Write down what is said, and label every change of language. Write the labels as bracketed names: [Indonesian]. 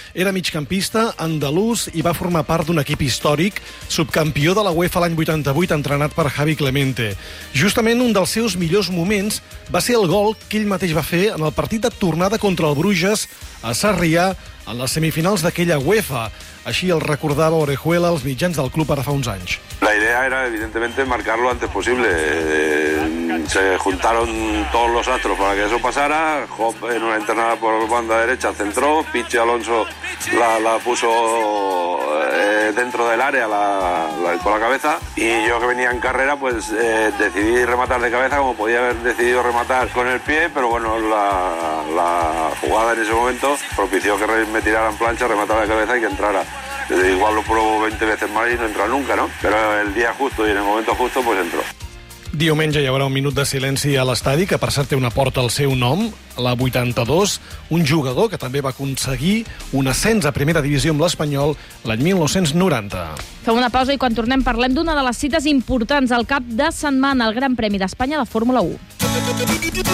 [Catalan] Era migcampista, andalús, i va formar part d'un equip històric, subcampió de la UEFA l'any 88, entrenat per Javi Clemente. Justament un dels seus millors moments va ser el gol que ell mateix va fer en el partit de tornada contra el Bruges a Sarrià, en les semifinals d'aquella UEFA. Així el recordava Orejuela als mitjans del club ara fa uns anys. [Spanish] La idea era, evidentemente, marcarlo antes posible. Se juntaron todos los astros para que eso pasara. Hop, en una entrenada por banda derecha, centró. Pichi Alonso la puso dentro del área con la cabeza. Y yo, que venía en carrera, pues decidí rematar de cabeza, como podía haber decidido rematar con el pie, pero bueno, la jugada en ese momento propició que me tirara en plancha, rematara de cabeza y que entrara. Igual lo pruebo 20 veces más y no entra nunca, ¿no? Pero el día justo y en el momento justo, pues entró. [Catalan] Diumenge hi haurà un minut de silenci a l'estadi, que per cert té una porta al seu nom, la 82, un jugador que també va aconseguir un ascens a primera divisió amb l'Espanyol l'any 1990. Fem una pausa i quan tornem parlem d'una de les cites importants al cap de setmana, el Gran Premi d'Espanya de Fórmula 1.